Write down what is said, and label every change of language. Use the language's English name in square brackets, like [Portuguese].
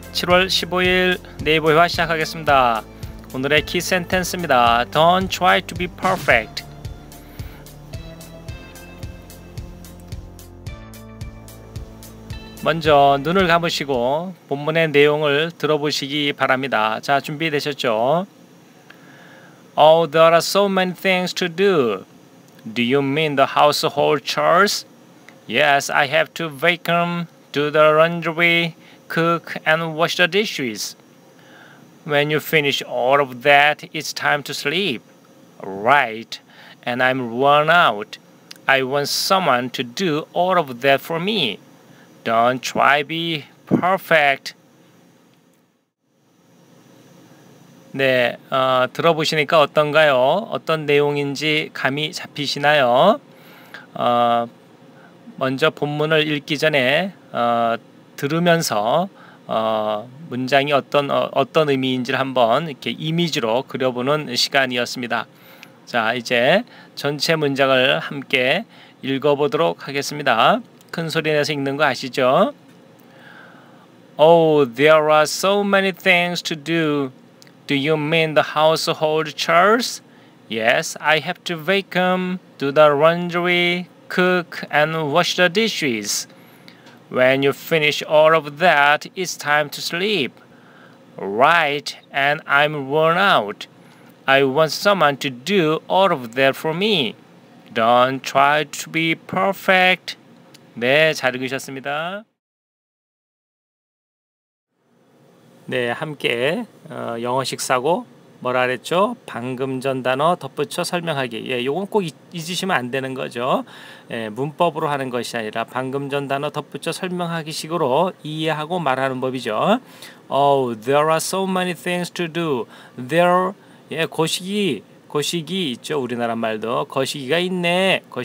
[Korean] 7월 15일 네이버 회화 시작하겠습니다. 오늘의 키 센텐스입니다. [English] Don't try to be perfect. [Korean] 먼저 눈을 감으시고 본문의 내용을 들어보시기 바랍니다. 자, 준비되셨죠? [English] Oh, there are so many things to do. Do you mean the household chores? Yes, I have to vacuum, do the laundry, cook and wash the dishes. When you finish all of that, it's time to sleep. Right, and I'm worn out. I want someone to do all of that for me. Don't try be perfect. [Korean] 네, 들어보시니까 어떤가요? 어떤 내용인지 감이 잡히시나요? 먼저 본문을 읽기 전에 들으면서 문장이 어떤 의미인지를 한번 이렇게 이미지로 그려보는 시간이었습니다. 자, 이제 전체 문장을 함께 읽어보도록 하겠습니다. 큰 소리 내서 읽는 거 아시죠? [English] Oh, there are so many things to do. Do you mean the household chores? Yes, I have to vacuum, do the laundry, cook, and wash the dishes. When you finish all of that, it's time to sleep. Right, and I'm worn out. I want someone to do all of that for me. Don't try to be perfect. [Korean] 네, 잘 읽으셨습니다. 네, 함께 영어식 사고 뭐라 그랬죠? 방금 전 단어 덧붙여 설명하기. 예, 요건 꼭 잊으시면 안 되는 거죠. 예, 문법으로 하는 것이 아니라 방금 전 단어 덧붙여 설명하기 식으로 이해하고 말하는 법이죠. [English] Oh, there are so many things to do. [Korean] There, 예, 거시기 있죠. 우리나라 말도 거시기가 있네.